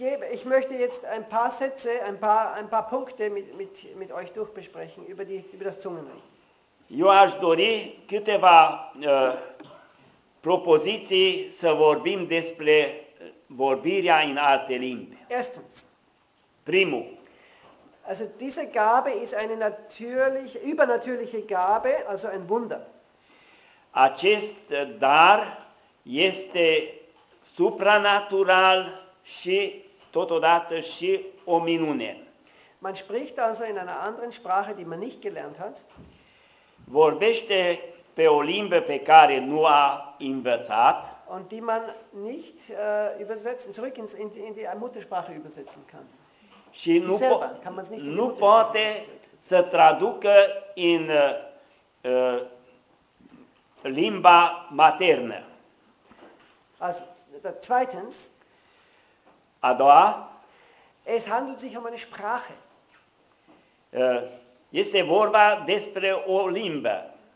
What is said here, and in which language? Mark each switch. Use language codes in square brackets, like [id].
[de] Ich möchte jetzt ein paar Sätze, ein paar Punkte mit euch durchbesprechen über das Zungenreden. [ro] Eu aș dori câteva propoziții să vorbim despre vorbirea în alte limbi. [de] Erstens. [ro] Primul. [de] Also diese Gabe ist eine natürliche, übernatürliche Gabe, also ein Wunder. [ro] Acest dar este supranatural și totodată și o minune. [de] Man spricht also in einer anderen Sprache, die man nicht gelernt hat. [ro] Vorbește pe o limbă pe care nu a învățat. [de] Und die man nicht übersetzen, zurück in die Muttersprache übersetzen kann. [ro] Și nu [de] kann man es nicht [ro] nu poate să traducă în limba maternă. [de] Also, zweitens, [ro] a doua, [de] es handelt sich um eine Sprache. [ro] Este vorba despre o limbă.